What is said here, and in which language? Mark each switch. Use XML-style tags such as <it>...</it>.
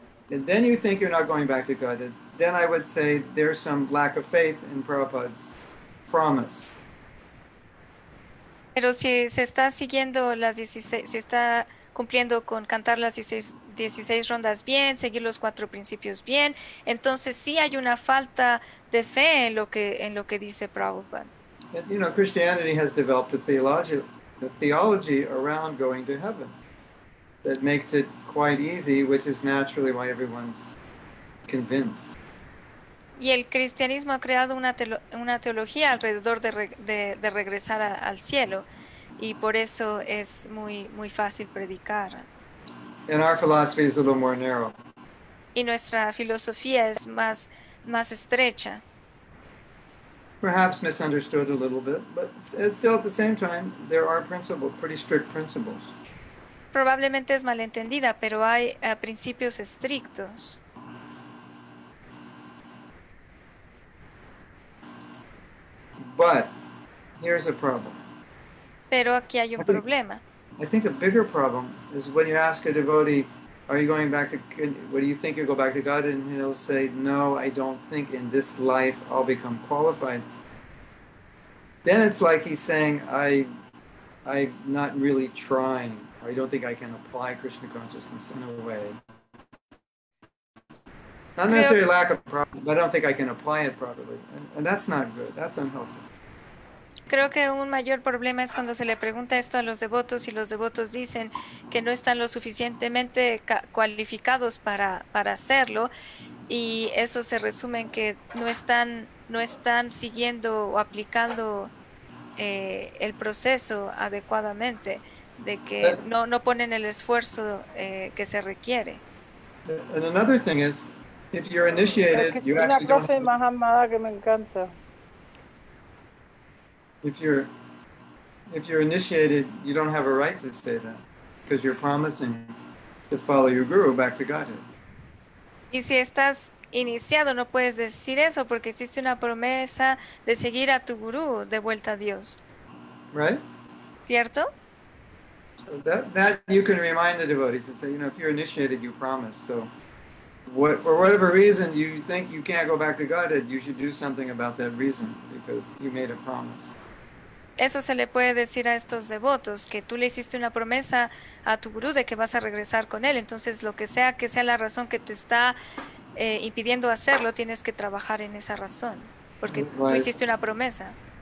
<en>And then you think you're not going back to God. Then I would say there's some lack of faith in Prabhupada's promise.</en> <es>Pero si se está siguiendo las 16, si está cumpliendo con cantar las 16 rondas bien, seguir los cuatro principios bien, entonces sí hay una falta de fe en lo que dice Prabhupada.</es> <en>And, you know, Christianity has developed a theology around going to heaven that makes it quite easy, which is naturally why everyone's convinced.</en> <es>Y el cristianismo ha creado una teología alrededor de regresar al cielo, y por eso es muy muy fácil predicar.</es> <en>And our philosophy is a little more narrow.</en> <es>Y nuestra filosofía es más estrecha.</es> <en>Perhaps misunderstood a little bit, but it's still at the same time there are principles, pretty strict principles.</en> <es>Probablemente es malentendida, pero hay principios estrictos.</es> <en>But here's a problem.</en> <es>Pero aquí hay un problema.</es> <en>I think a bigger problem is when you ask a devotee, are you going back to, what do you think, you'll go back to God? And he'll say, no, I don't think in this life I'll become qualified. Then it's like he's saying, I'm not really trying. I don't think I can apply Krishna consciousness in a way. Not necessarily lack of problem, but I don't think I can apply it properly. And that's not good. That's unhealthy.</en> <es>Creo que un mayor problema es cuando se le pregunta esto a los devotos y los devotos dicen que no están lo suficientemente cualificados para hacerlo, y eso se resume en que no están siguiendo o aplicando el proceso adecuadamente, de que no ponen el esfuerzo que se requiere.</es> <en>And another thing is, if you're initiated, you actually don't.</en> <es>Una frase más amada que me encanta.</es> <en>If you're initiated, you don't have a right to stay there, because you're promising to follow your guru back to Godhead.</en> <es>Y si estás iniciado, no puedes decir eso porque existe una promesa de seguir a tu gurú de vuelta a Dios.</es> <en>Right?</en> <es>¿Cierto?</es> <en>So that you can remind the devotees and say, you know, if you're initiated, you promise. So, what for whatever reason you think you can't go back to Godhead, you should do something about that reason because you made a promise.</en> <es>Eso se le puede decir a estos devotos, que tú le hiciste una promesa a tu gurú de que vas a regresar con él. Entonces, lo que sea la razón que te está impidiendo hacerlo, tienes que trabajar en esa razón, porque tú hiciste una promesa.</es>